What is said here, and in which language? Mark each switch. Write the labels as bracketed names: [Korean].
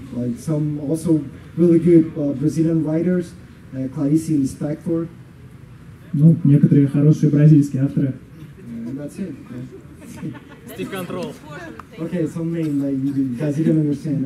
[English] Like some also really good Brazilian writers, Clarice Lispector. [Russian] Ну, некоторые хорошие бразильские авторы. [English] That's it. Stick control. Okay, some name like you guys didn't understand.